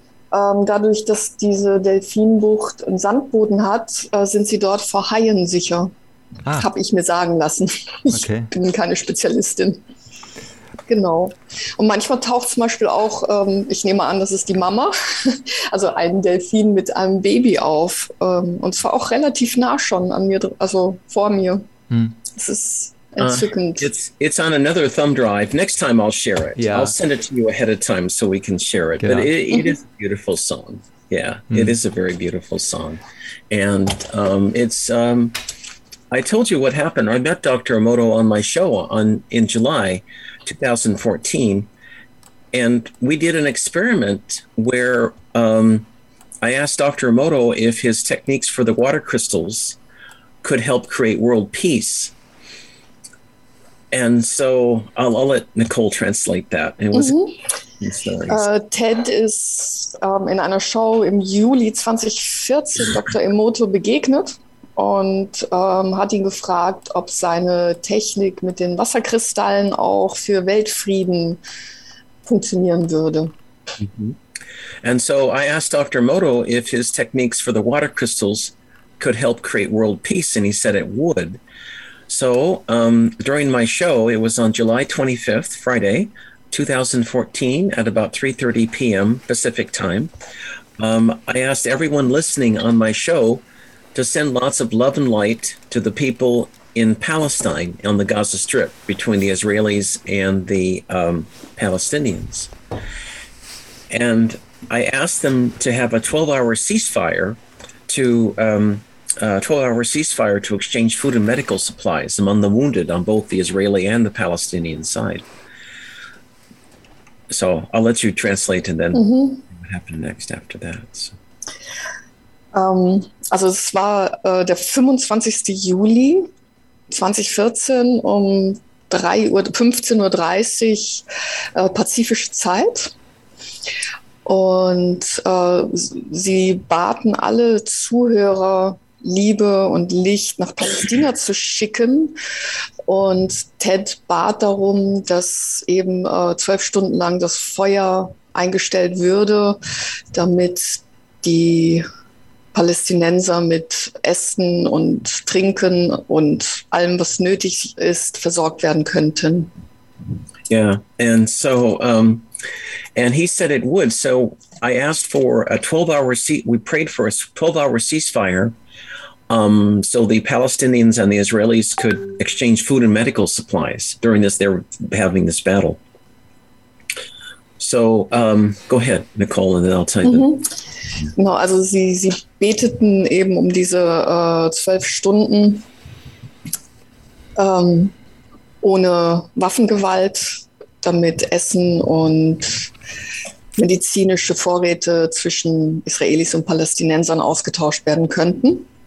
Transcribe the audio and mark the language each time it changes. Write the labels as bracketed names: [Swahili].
[German] Dadurch, dass diese Delfinbucht einen Sandboden hat, sind sie dort vor Haien sicher. Ah. Habe ich mir sagen lassen. Ich bin keine Spezialistin. Genau. Und manchmal taucht zum Beispiel auch, ich nehme an, das ist die Mama, also ein Delfin mit einem Baby auf. Und zwar auch relativ nah schon an mir, also vor mir. Es ist entzückend. [English] It's on another thumb drive. Next time I'll share it. Yeah. I'll send it to you ahead of time so we can share it. [German] Genau. [English] But it is a beautiful song. Yeah, it is a very beautiful song. And I told you what happened. I met Dr. Emoto on my show in July 2014. And we did an experiment where I asked Dr. Emoto if his techniques for the water crystals could help create world peace. And so I'll let Nicole translate that. It was [German] Ted ist in einer Show im Juli 2014 Dr. Emoto begegnet und hat ihn gefragt, ob seine Technik mit den Wasserkristallen auch für Weltfrieden funktionieren würde. [English] And so I asked Dr. Emoto if his techniques for the water crystals could help create world peace, and he said it would. So during my show, it was on July 25th, Friday, 2014, at about 3:30 p.m. Pacific time, I asked everyone listening on my show to send lots of love and light to the people in Palestine on the Gaza Strip between the Israelis and the Palestinians. And I asked them to have a 12-hour ceasefire to 12-hour ceasefire to exchange food and medical supplies among the wounded on both the Israeli and the Palestinian side. So I'll let you translate and then what happened next after that. So. [German] Also es war der 25. Juli 2014 um 15:30 Uhr pazifische Zeit. Und sie baten alle Zuhörer, Liebe und Licht nach Palästina zu schicken. Und Ted bat darum, dass eben 12 Stunden lang das Feuer eingestellt würde, damit die Palästinenser mit Essen und Trinken und allem, was nötig ist, versorgt werden könnten. [English] Yeah, and so, and he said it would. So I asked for a 12-hour, we prayed for a 12-hour ceasefire. So the Palestinians and the Israelis could exchange food and medical supplies during this, they're having this battle. So go ahead, Nicole, and then I'll tell you. [German] No, also sie beteten eben um diese 12 Stunden ohne Waffengewalt, damit Essen und medizinische Vorräte zwischen Israelis und Palästinensern ausgetauscht werden könnten.